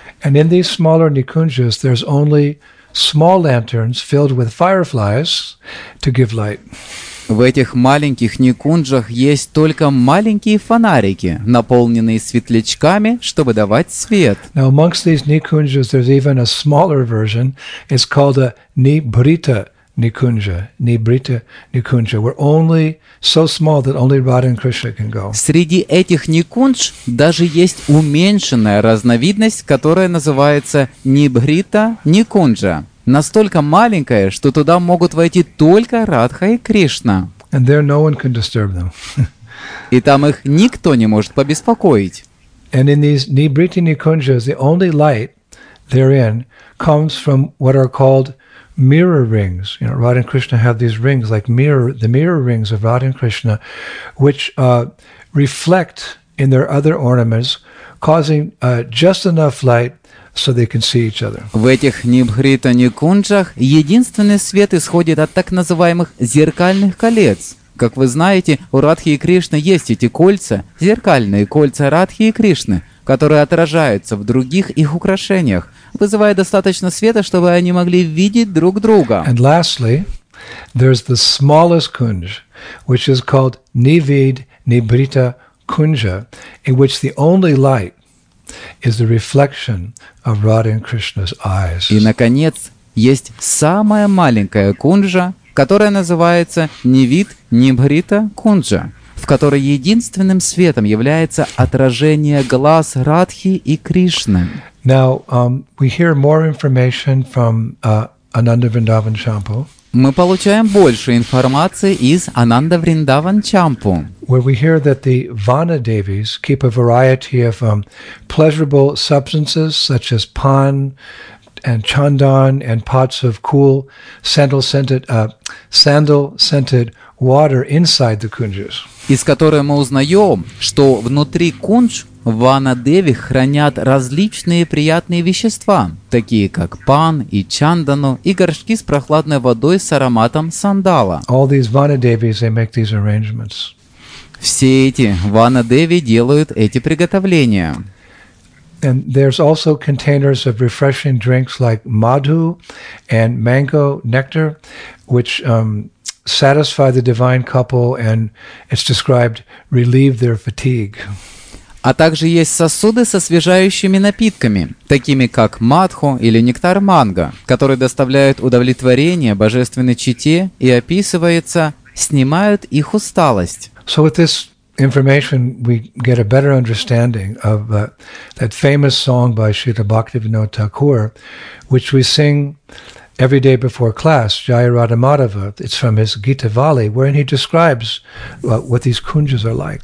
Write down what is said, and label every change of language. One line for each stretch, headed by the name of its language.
English: And in these smaller nikunjas, there's only small lanterns filled with fireflies to give light.
Russian: В этих маленьких никунджах есть только маленькие фонарики, наполненные светлячками, чтобы давать свет.
English: Now amongst these nikunjas there's even a smaller version. It's called a nibrita nikunja, where only so small that only Radha and Krishna can go.
Russian: Среди этих никундж даже есть уменьшенная разновидность, которая называется нибрита никунджа. Настолько маленькая, что туда могут войти только Радха и Кришна.
English: And there no one can disturb them.
Russian: И там их никто не может побеспокоить.
English: And in these nibriti nikunjas, the only light therein comes from what are called mirror rings. You know, Radha and Krishna have these rings, like the mirror rings of Radha and Krishna, which reflect in their other ornaments, causing just enough light so they can see each other.
Russian: В этих нибхрита-никунджах единственный свет исходит от так называемых зеркальных колец, Как вы знаете, у Радхи и Кришны есть эти кольца, зеркальные кольца Радхи и Кришны, которые отражаются в других их украшениях, вызывая достаточно света, чтобы они могли видеть друг друга.
English: And lastly, there's the smallest kunj, which is called Nivid Nibrita Kunja, in which the only light is the reflection of Radha and Krishna's eyes.
Russian: И, наконец, есть самая маленькая кунжа, которая называется Нивид Нибрита Кунджа, в которой единственным светом является отражение глаз Радхи и Кришны.
English: Now, we hear more information from Ananda Vrindavan Champu.
Russian: Мы получаем больше информации из Ананда Вриндаван Чампу,
English: where we hear that the Vana Devis keep a variety of pleasurable substances such as pan and chandan and pots of cool sandal-scented water inside the kunjas.
Russian: Из которой мы узнаем, что внутри кунж Вана Деви хранят различные приятные вещества, такие как пан и чандану, и горшки с прохладной водой с ароматом сандала.
English: All these Vana Devis, they make these arrangements.
Russian: Все эти Вана Деви делают эти приготовления.
English: And there's also containers of refreshing drinks like madhu and mango nectar, which satisfy the divine couple and, it's described, relieve their fatigue.
Russian: А также есть сосуды с освежающими напитками, такими как мадху или нектар манго, которые доставляют удовлетворение божественной чите и, описывается, снимают их усталость.
English: So with this information we get a better understanding of that famous song by Srila Bhaktivinoda Thakur, which we sing every day before class, Jaya Radha Madhava. It's from his Gita Vali, wherein he describes what these kunjas are like.